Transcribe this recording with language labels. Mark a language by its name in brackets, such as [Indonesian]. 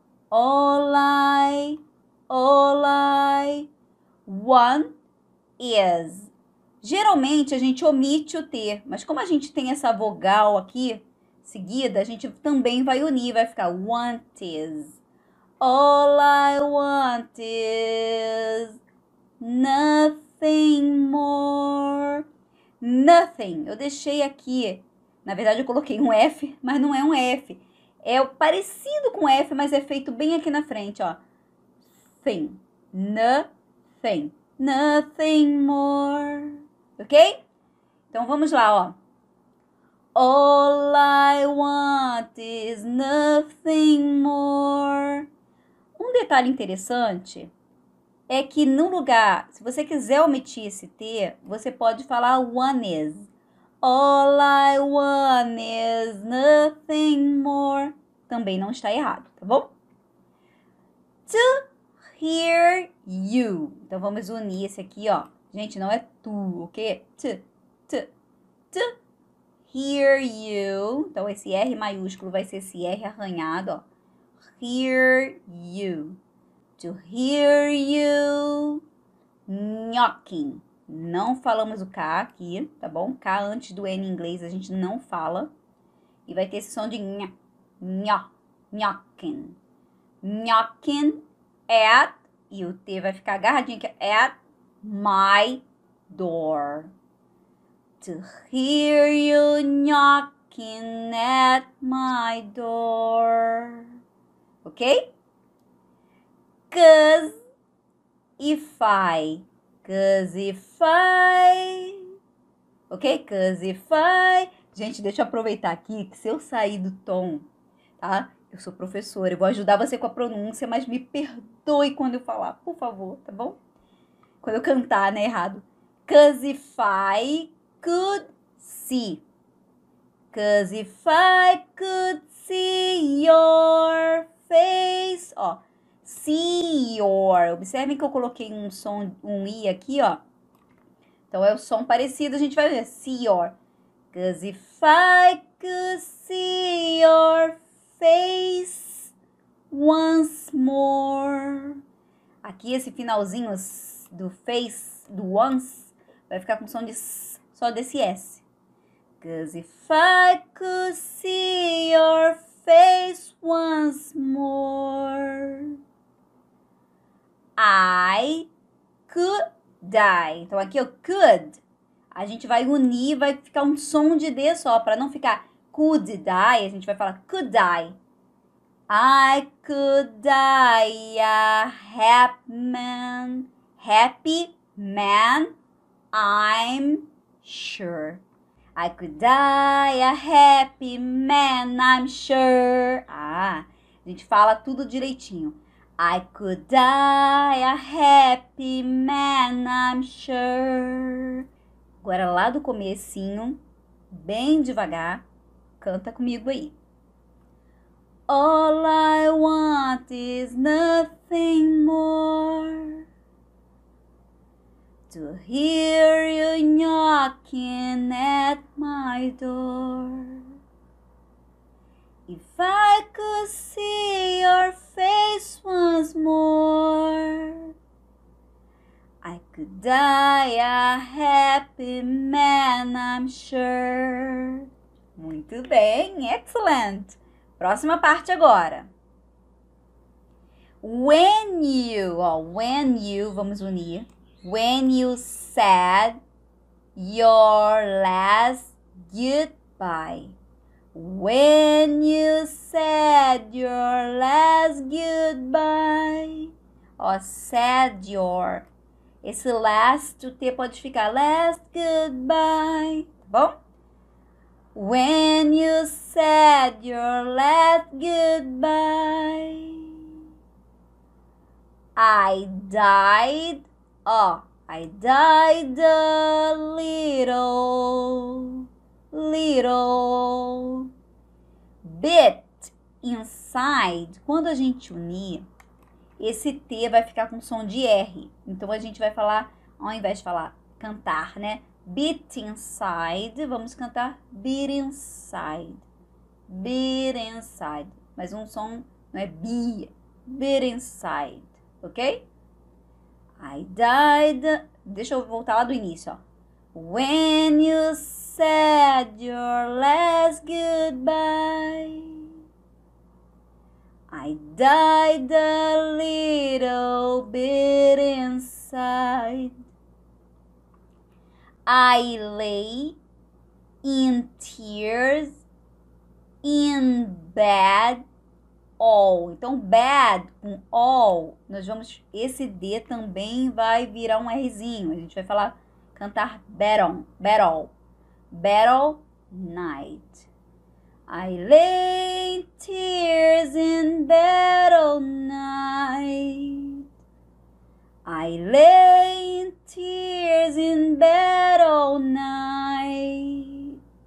[English] All I, all I. [Portuguese] One is. Geralmente, a gente omite o T, mas como a gente tem essa vogal aqui, seguida, a gente também vai unir, vai ficar [English] want is. All I want is nothing more. Nothing. [Portuguese] Eu deixei aqui. Na verdade, eu coloquei um F, mas não é um F. É parecido com F, mas é feito bem aqui na frente, ó. [English] Thing. Nothing. Nothing more. [Portuguese] Ok? Então vamos lá, ó. [English] All I want is nothing more. [Portuguese] Um detalhe interessante é que no lugar, se você quiser omitir esse T, você pode falar [English] one is. All I want is nothing more. [Portuguese] Também não está errado, tá bom? [English] To hear you. [Portuguese] Então vamos unir esse aqui, ó. Gente, não é tu, ok? [English] To hear you. [Portuguese] Então esse R maiúsculo vai ser esse R arranhado, ó. [English] Hear you. To hear you. Knocking. [Portuguese] Não falamos o K aqui, tá bom? K antes do N em inglês a gente não fala. E vai ter esse som de nha, nha, nhoquin. Nhoquin at, e o T vai ficar agarradinho aqui, [English] at my door. To hear you knocking at my door. Ok? 'Cause if I. 'Cause if I. Ok? 'Cause if I. [Portuguese] Gente, deixa eu aproveitar aqui que se eu sair do tom, tá? Eu sou professora, eu vou ajudar você com a pronúncia, mas me perdoe quando eu falar, por favor, tá bom? Quando eu cantar, né, errado. [English] 'Cause if I could see. 'Cause if I could see your face. Ó. See your. [Portuguese] Observem que eu coloquei um som, um i aqui, ó. Então é o som parecido, a gente vai ver. [English] See your. 'Cause if I could see your face once more. [Portuguese] Aqui esse finalzinho do face, do once, vai ficar com som de só desse S. [English] 'Cause if I could see your face once more. I could die. [Portuguese] Então aqui o could, a gente vai unir, vai ficar um som de D só, para não ficar [English] could die, [Portuguese] a gente vai falar could die. [English] I could die a happy man. Happy man, I'm sure. I could die a happy man, I'm sure. [Portuguese] Ah, a gente fala tudo direitinho. [English] I could die a happy man, I'm sure. [Portuguese] Agora lá do comecinho, bem devagar, canta comigo aí. [English] All I want is nothing more. To hear you knocking at my door. If I could see your face once more, I could die a happy man, I'm sure. [Portuguese] Muito bem, excellent. Próxima parte agora. [English] When you, ó, when you, [Portuguese] vamos unir. [English] When you said your last goodbye. When you said your last goodbye. Ó, said your. [Portuguese] Esse last, o T pode ficar [English] last goodbye, [Portuguese] tá bom? [English] When you said your last goodbye. I died. Ó, I died a little, little bit inside. [Portuguese] Quando a gente unir, esse T vai ficar com som de R. Então a gente vai falar, ao invés de falar cantar, né? [English] Bit inside, [Portuguese] vamos cantar [English] bit inside. [Portuguese] Bit inside. Mas um som não é bi, [English] bit inside, [Portuguese] ok? [English] I died. [Portuguese] Deixa eu voltar lá do início, ó. [English] When you said your last goodbye, I died a little bit inside. I lay in tears in bed. All. [Portuguese] Então, bad com all, nós vamos. Esse D também vai virar um Rzinho. A gente vai falar, cantar battle, battle. [English] Battle night. I lay tears in battle night. I lay tears in battle night.